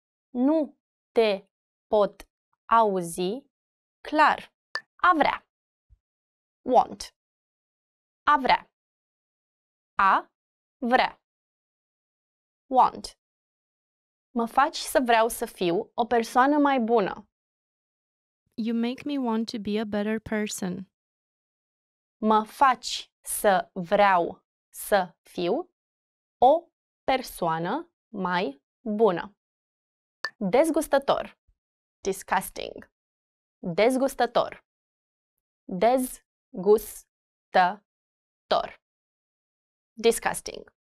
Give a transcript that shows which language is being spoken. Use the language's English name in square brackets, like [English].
[Romanian] Nu te pot auzi clar. A vrea. Want. A vrea. A vrea. Want. Mă faci să vreau să fiu o persoană mai bună. [English] You make me want to be a better person. [Romanian] Mă faci să vreau să fiu o persoană mai bună. Dezgustător. Disgusting. Dezgustător. Dezgustător. Disgusting.